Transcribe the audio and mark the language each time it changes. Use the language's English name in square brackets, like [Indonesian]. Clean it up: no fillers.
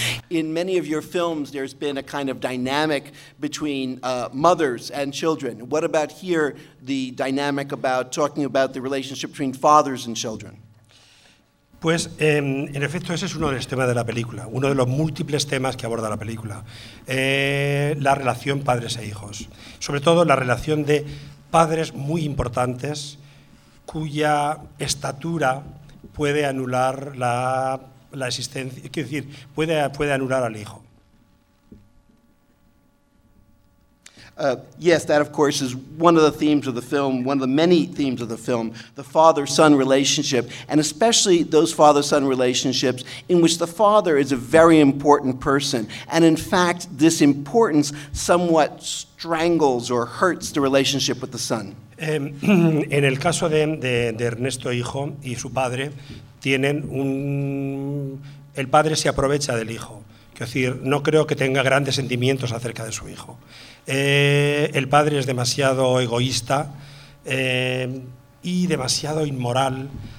[English] In many of your films, there's been a kind of dynamic between mothers and children. What about here, the dynamic about talking about the relationship between fathers and children? [Spanish] Pues, en efecto, ese es uno de los temas de la película, uno de los múltiples temas que aborda la película. La relación padres e hijos. Sobre todo, la relación de padres muy importantes cuya estatura puede anular la... la existencia, es decir, puede anular al hijo. [English] Yes, that of course is one of the themes of the film, one of the many themes of the film, the father-son relationship, and especially those father-son relationships in which the father is a very important person. And in fact, this importance somewhat strangles or hurts the relationship with the son. [Spanish] En el caso de Ernesto hijo y su padre, tienen un... el padre se aprovecha del hijo. Es decir, no creo que tenga grandes sentimientos acerca de su hijo. El padre es demasiado egoísta y demasiado inmoral.